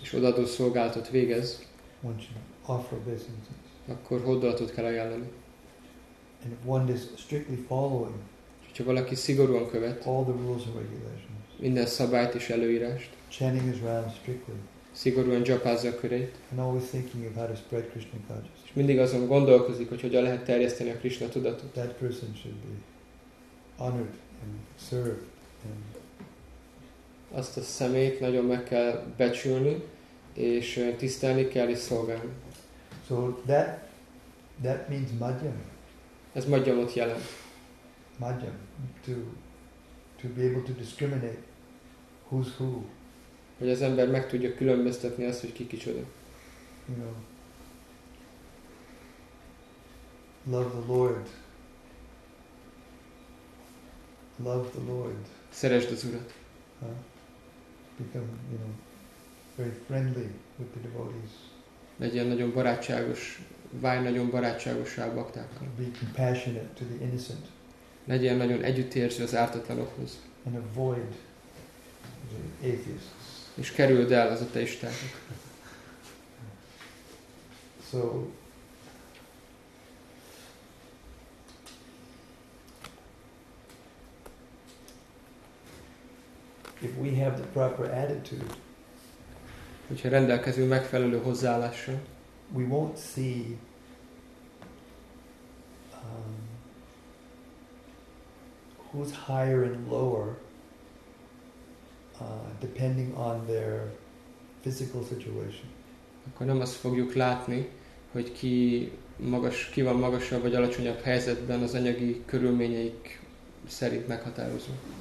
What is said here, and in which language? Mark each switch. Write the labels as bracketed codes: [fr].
[hu] és odaadó szolgálatot végez, [en] one should offer obeisances. [hu] Akkor hódolatot kell ajánlani. [en] And if one is strictly following, [hu] hogyha valaki szigorúan követ, [en] all the rules and regulations. [hu] Minden szabályt és előírást. [en] Chanting his rounds strictly. [hu] Szigorúan japázza a körét. [en] And always thinking of how to spread Krishna consciousness. [hu] És mindig azon gondolkozik, hogy hogyan lehet terjeszteni a Krishna tudatot. [en] That person should be honored and served. And [hu] azt a szemét nagyon meg kell becsülni, és tisztelni kell és szolgálni. [en] So that means madhyam. [hu] Ez madhyamot jelent. [en] Madhyam, to be able to discriminate who's who. [hu] Hogy az ember meg tudja különböztetni azt, hogy ki kicsoda. [en] You know, love the Lord. Love the Lord. [hu] Szeresd az Urat. [en] Become, you know, very friendly with the devotees. [hu] Legyen nagyon barátságos, válj nagyon barátságosabb baktákkal. [en] Be compassionate to the innocent. [hu] legyél nagyon együttérző az ártatlanokhoz. [en] And avoid the atheists. [hu] És kerüld el az ateistákat. [en] So if we have the proper attitude, [hu] hogyha rendelkezünk megfelelő hozzáállással, [en] we won't see who's higher and lower depending on their physical situation. [hu] Akkor nem azt fogjuk látni, hogy ki magas, ki van magasabb vagy alacsonyabb helyzetben az anyagi körülményeik szerint meghatározva.